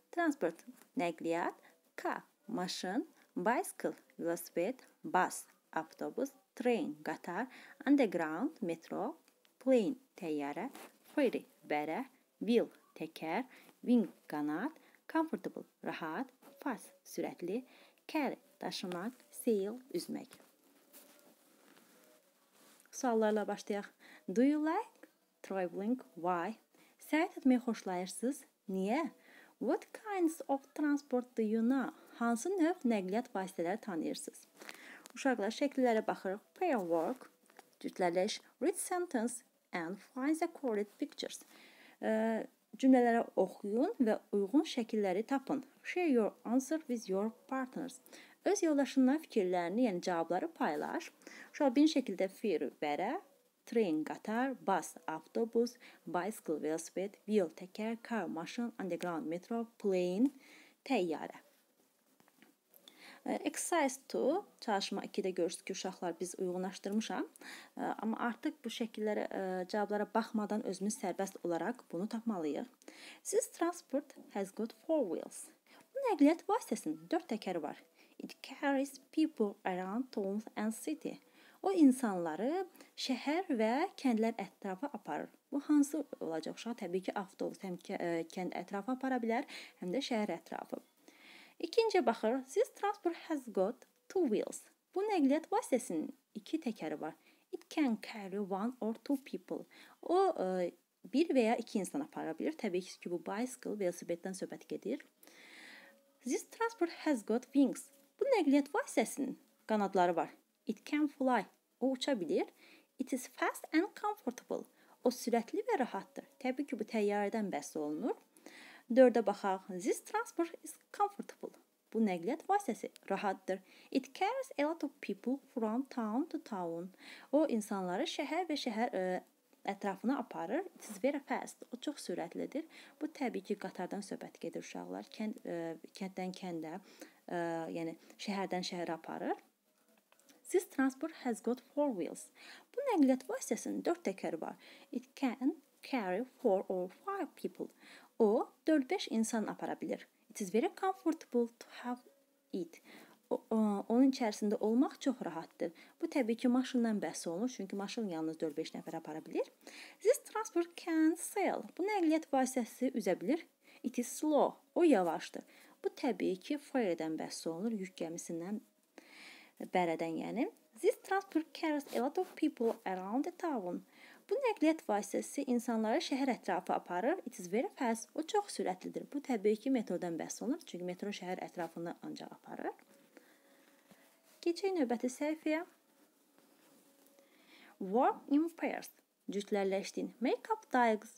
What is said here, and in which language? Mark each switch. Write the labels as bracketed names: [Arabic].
[English] Transport, nəqliyyat, car, maşın, bicycle, velosiped, bus, avtobus, train, qatar, underground, metro, plane, təyyarə, ferry, bərə, wheel, təkər, wing, qanad, comfortable, rahat, fast, sürətli, carry, daşımaq, sail, üzmək. [Azerbaijani] Suallarla başlayaq. [English] Do you like traveling? Why? [Azerbaijani] Səyahət etməyi xoşlayırsınız? Niyə? [English] What kinds of transport do you know? [Azerbaijani] Hansı növ nəqliyyat vasitələri tanıyırsınız? Uşaqlar, şəkillərə baxırıq. [English] Pair work, cütlələş, read sentence and find the correct pictures. [Azerbaijani] Cümlələrə oxuyun və uyğun şəkilləri tapın. [English] Share your answer with your partners. [Azerbaijani] Öz yoldaşınla fikirlərini, yəni cavabları paylaş. Uşaqlar, bir şəkildə fear, bərə, train, qatar, bus, avtobus, bicycle, velosiped, wheel, təkər, car, maşın, underground, metro, plane, təyyarə. Exercise 2, çalışma 2-də görürsünüz ki, uşaqlar, biz uyğunlaşdırmışam. Amma artıq bu şəkillərə, cavablara baxmadan özümüz sərbəst olaraq bunu tapmalıyıq. [English] This transport has got 4 wheels. [Azerbaijani] Bu nəqliyyat vasitəsinin 4 təkəri var. [English] It carries people around towns and city. [Azerbaijani] O insanları şəhər və kəndlər ətrafa aparır. Bu hansı olacaq uşaq? Təbii ki, avtobus həm kənd ətrafa apara bilər, həm də şəhər ətrafı. İkinci baxır, [English] this transport has got 2 wheels. [Azerbaijani] Bu nəqliyyat vasitəsinin 2 təkəri var. [English] It can carry 1 or 2 people. [Azerbaijani] O, 1 və ya 2 insan apara bilir. Təbii ki, bu bicycle, velosipeddən söhbət gedir. [English] This transport has got wings. [Azerbaijani] Bu nəqliyyat vasitəsinin qanadları var. [English] It can fly. [Azerbaijani] O uça bilir. [English] It is fast and comfortable. [Azerbaijani] O sürətli və rahatdır. Təbii ki, bu təyyarədən bəhs olunur. Dördə baxaq. [English] This transport is comfortable. [Azerbaijani] Bu nəqliyyat vasitəsi rahatdır. [English] It carries a lot of people from town to town. [Azerbaijani] O insanları şəhər və şəhər ətrafına aparır. [English] It is very fast. [Azerbaijani] O çox sürətlidir. Bu təbii ki, qatardan söhbət gedir uşaqlar. Kənddən kəndə, yəni şəhərdən şəhərə aparır. [English] This transport has got 4 wheels. [Azerbaijani] Bu nəqliyyat vasitəsinin 4 təkəri var. [English] It can carry 4 or 5 people. [Azerbaijani] O, 4-5 insan apara bilir. [English] It is very comfortable to have it. [Azerbaijani] Onun içərisində olmaq çox rahatdır. Bu, təbii ki, maşından bəhs olunur, çünki maşın yalnız 4-5 nəfər apara bilir. [English] This transport can sail. [Azerbaijani] Bu nəqliyyat vasitəsi üzə bilir. [English] It is slow. [Azerbaijani] O, yavaşdır. Bu, təbii ki, ferrydən bəhs olunur, yük gəmisindən, bərədən yəni. [English] This transport carries a lot of people around the town. [Azerbaijani] Bu nəqliyyat vasitəsi insanları şəhər ətrafı aparır. [English] It is very fast. [Azerbaijani] O çox sürətlidir. Bu təbii ki metrodan bəhs olunur. Çünki metro şəhər ətrafını ancaq aparır. Keçək növbəti səhifəyə. [English] Work in pairs. Cütlərləşdin. Make up dialogues.